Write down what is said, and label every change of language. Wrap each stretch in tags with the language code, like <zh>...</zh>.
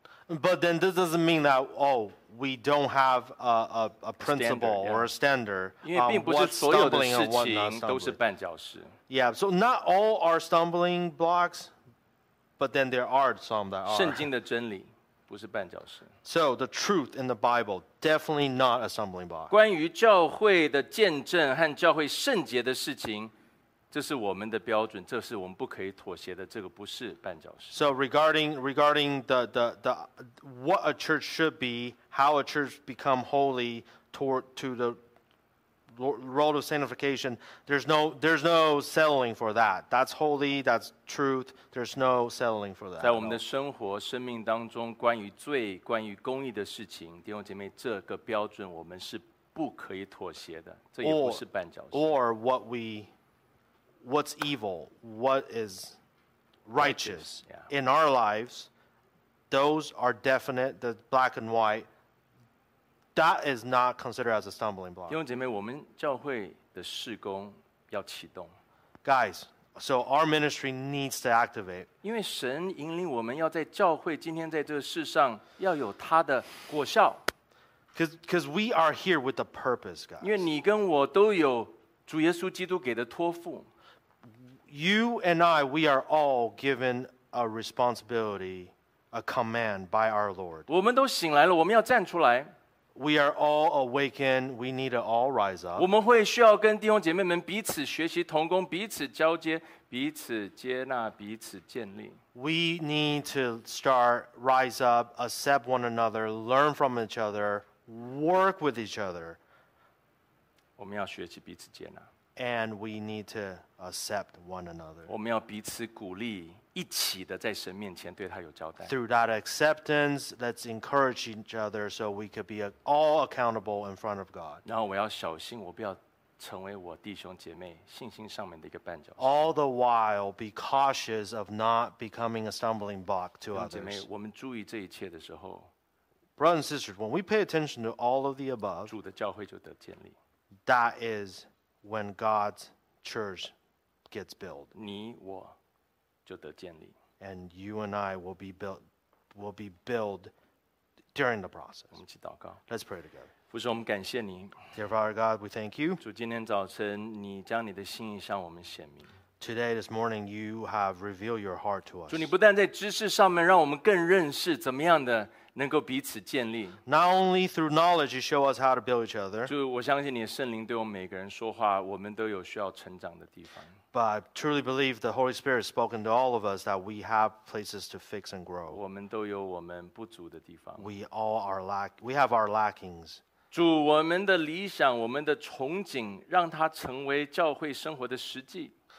<en>But then this doesn't mean that, oh, we don't have a principle or a standard what's stumbling and what not stumbling. Yeah, so not all are stumbling blocks, but then there are some that are.</en> <zh>圣经的真理不是绊脚石。</zh> <en>So the truth in the Bible, definitely not a stumbling block.</en> <zh>关于教会的见证和教会圣洁的事情这是我们的标准，这是我们不可以妥协的。这个不是绊脚石。</zh> <en>So regarding the what a church should be, how a church become holy to the role of sanctification, there's no settling for that. That's holy, that's truth. There's no settling for that.</en> <zh>在我们的生活、生命当中，关于罪、关于公义的事情，弟兄姐妹，这个标准我们是不可以妥协的。这也不是绊脚石。</zh> <en>Or what we What's evil? What is righteous in our lives? Those are definite, the black and white. That is not considered as a stumbling block.</en> <zh>弟兄姐妹，我们教会的事工要启动。</zh> <en>Guys, so our ministry needs to activate.</en> <zh>因为神引领我们要在教会今天在这个世上要有它的果效。</zh> <en>Because we are here with a purpose, guys.</en> <zh>因为你跟我都有主耶稣基督给的托付。</zh> <en>You and I, we are all given a responsibility, a command by our Lord.</en> <zh>我们都醒来了，我们要站出来。</zh> <en>We are all awakened. We need to all rise up.</en> <zh>我们会需要跟弟兄姐妹们彼此学习同工，彼此交接，彼此接纳，彼此建立。</zh> <en>We need to start rise up, accept one another, learn from each other, work with each other.</en> <zh>我们要学习彼此接纳。</zh> <en>And we need to accept one another.</en> <zh>我们要彼此鼓励，一起的在神面前对他有交代。</zh> <en>Through that acceptance, let's encourage each other so we could be all accountable in front of God.</en> <zh>然后我要小心，我不要成为我弟兄姐妹信心上面的一个绊脚石。</zh> <en>All the while, be cautious of not becoming a stumbling block to others.</en> <zh>弟兄姐妹，我们注意这一切的时候，</zh> <en>Brothers and sisters, when we pay attention to all of the above,</en> <zh>主的教会就得建立。</zh> <en>That is when God's church gets built.</en> <zh>你我就得建立。</zh> <en>And you and I will be built during the process.</en> <zh>我们一起祷告。</zh> <en>Let's pray together.</en> <zh>父神，我们感谢你。</zh> <en>Dear Father God, we thank you.</en> <zh>主，今天早晨你将你的心意向我们显明。</zh> <en>Today, this morning, you have revealed your heart to us.</en> <zh>主，你不但在知识上面让我们更认识怎么样的能够彼此建立。</zh> <en>Not only through knowledge, you show us how to build each other.</en> <zh>主，我相信你的圣灵对我们每个人说话，我们都有需要成长的地方。</zh> <en>But I truly believe the Holy Spirit has spoken to all of us that we have places to fix and grow.</en> <zh>我们都有我们不足的地方。</zh> <en>We have our lackings.</en> <zh>主，我们的理想，我们的憧憬，让它成为教会生活的实际。</zh>